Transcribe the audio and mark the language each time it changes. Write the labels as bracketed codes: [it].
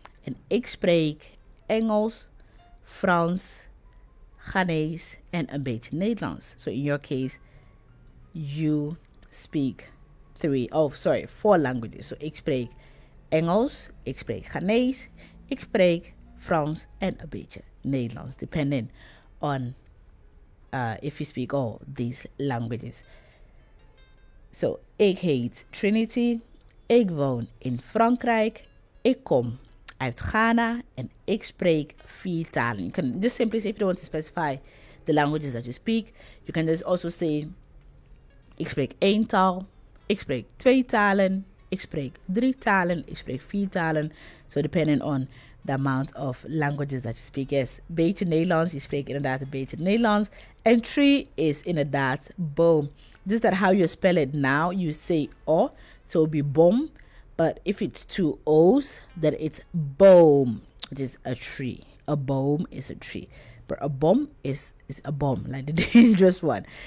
[nl] En ik spreek Engels, Frans, Ghanese en een beetje Nederlands. [en] So in your case, you speak four languages. [nl] So ik spreek Engels, ik spreek Ghanese, ik spreek Frans en een beetje Nederlands. [en] Depending on if you speak all these languages. [nl] So ik heet Trinity, ik woon in Frankrijk, ik kom uit Ghana en ik spreek vier talen. [en] You can just simply say, if you don't want to specify the languages that you speak, you can just also say, [nl] ik spreek één taal, ik spreek twee talen, ik spreek drie talen, ik spreek vier talen. [en] So depending on the amount of languages that you speak. [nl] Yes, beetje Nederlands, je spreekt inderdaad een beetje Nederlands. [en] And three is inderdaad boom. Just that how you spell it now, you say o, so it'll be boom. But if it's two O's, then it's boom, which is a tree. A boom is a tree. But a boom is a boom, like the dangerous one.